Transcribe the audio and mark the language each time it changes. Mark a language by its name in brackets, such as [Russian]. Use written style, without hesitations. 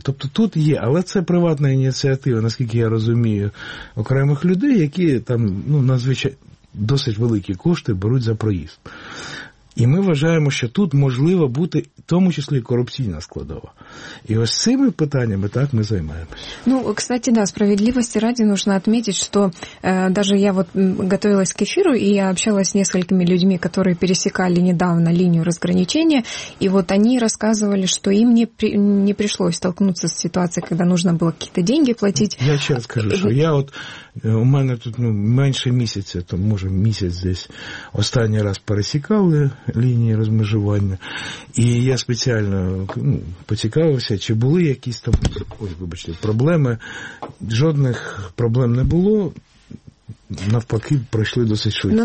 [Ukrainian] Тобто тут є, але це приватна ініціатива, наскільки я розумію, окремих людей, які там, ну, надзвичайно досить великі кошти беруть за проїзд. І ми вважаємо, що тут можливо бути, в тому числі, корупційна складова. І ось цими питаннями так ми займаємося. [Russian] Ну, кстати, да, справедливості раді нужно отметить, что даже я вот готовилась к эфиру, и я общалась с несколькими людьми, которые пересекали недавно линию разграничения, и вот они рассказывали, что им не пришлось столкнуться с ситуацией, когда нужно было какие-то деньги платить. Я сейчас скажу, что я вот, [Ukrainian] у мене тут, ну, менше місяця, то, може, місяць десь останній раз пересікали лінії розмежування. І я спеціально, ну, поцікавився, чи були якісь там, ось, вибачте, проблеми. Жодних проблем не було. Навпаки, пройшли досить швидко.